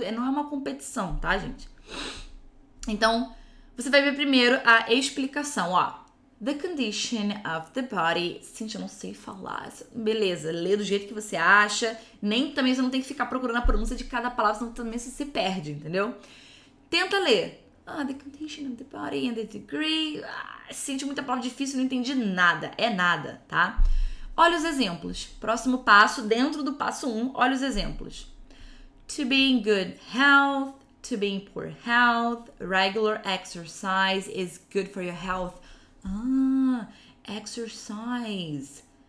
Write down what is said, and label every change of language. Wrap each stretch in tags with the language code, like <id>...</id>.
<pt>Não é uma competição, tá, gente? Então, você vai ver primeiro a explicação, ó.</pt> <en>The condition of the body.</en> <pt>Gente, eu não sei falar. Beleza, lê do jeito que você acha. Nem também você não tem que ficar procurando a pronúncia de cada palavra, senão também você se perde, entendeu? Tenta ler.</pt> <en>Ah, the condition of the body and the degree.</en> <pt>Ah, senti muita palavra difícil, não entendi nada. É nada, tá? Olha os exemplos. Próximo passo, dentro do passo 1, olha os exemplos.</pt> <en>To be in good health, to be in poor health, regular exercise is good for your health. Ah, exercise.</en>